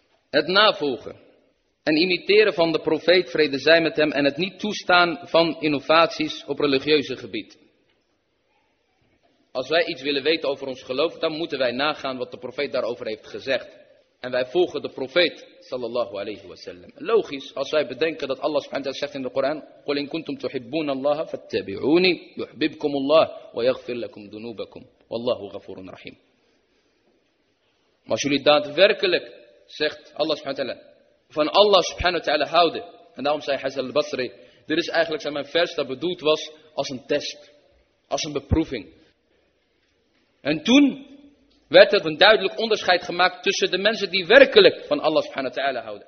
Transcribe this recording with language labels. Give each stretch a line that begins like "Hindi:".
Dutch: Het navolgen en imiteren van de profeet, vrede zij met hem, en het niet toestaan van innovaties op religieuze gebied. Als wij iets willen weten over ons geloof, dan moeten wij nagaan wat de profeet daarover heeft gezegd. En wij volgen de profeet, sallallahu alayhi wa sallam. Logisch, als wij bedenken dat Allah subhanahu wa ta'ala zegt in de Koran,
Arabic: قُلْ إِن كُنْتُمْ تُحِبُّونَ اللَّهَ فَاتَّبِعُونِي يُحْبِبْكُمُ اللَّهَ وَيَغْفِرْ لَكُمْ ذُنُوبَكُمْ وَاللَّهُ غَفُورٌ رَحِيمٌ.
Dutch: Maar als jullie daadwerkelijk, zegt Allah subhanahu wa ta'ala, van Allah subhanahu wa ta'ala houden. En daarom zei Hazal al-Basri, dit is eigenlijk mijn vers dat bedoeld was als een test. Als een beproeving. En toen werd er een duidelijk onderscheid gemaakt tussen de mensen die werkelijk van Allah subhanahu wa ta'ala houden.